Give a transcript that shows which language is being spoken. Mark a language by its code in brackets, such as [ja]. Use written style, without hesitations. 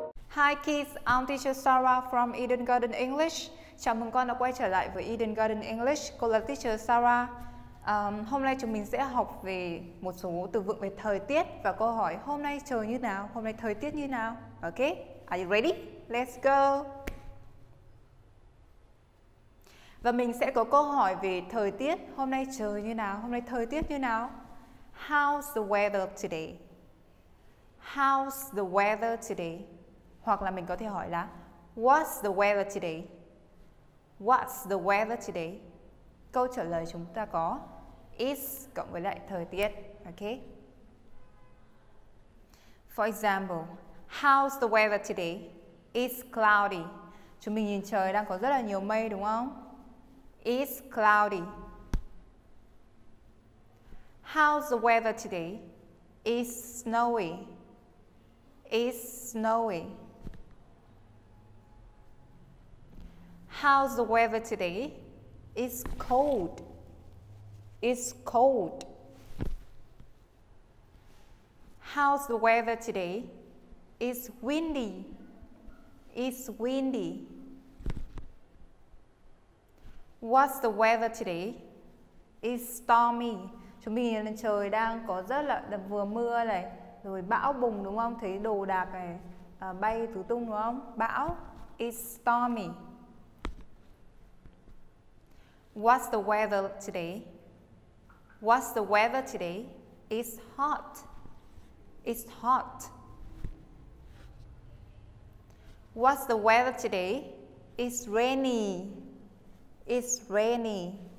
[en] Hi kids, I'm teacher Sarah from Eden Garden English. [vi] Chào mừng con đã quay trở lại với Eden Garden English. Cô là teacher Sarah. Hôm nay chúng mình sẽ học về một số từ vựng về thời tiết và câu hỏi hôm nay trời như nào, hôm nay thời tiết như nào. [en] Ok, are you ready? Let's go! [vi] Và mình sẽ có câu hỏi về thời tiết, hôm nay trời như nào, hôm nay thời tiết như nào. [en] How's the weather today? How's the weather today? [vi] Hoặc là mình có thể hỏi là [en] What's the weather today? What's the weather today? [vi] Câu trả lời chúng ta có is cộng với lại thời tiết. [en] Okay. For example, how's the weather today? It's cloudy. [vi] Chúng mình nhìn trời đang có rất là nhiều mây đúng không? [en] It's cloudy. How's the weather today? It's snowy. It's snowy. How's the weather today? It's cold. It's cold. How's the weather today? It's windy. It's windy. What's the weather today? It's stormy. [vi] Chúng mình nhìn lên trời đang có rất là vừa mưa này, rồi bão bùng đúng không? Thấy đồ đạc này bay tứ tung đúng không? Bão. [en] It's stormy. What's the weather today? What's the weather today? It's hot. It's hot. What's the weather today? It's rainy. It's rainy.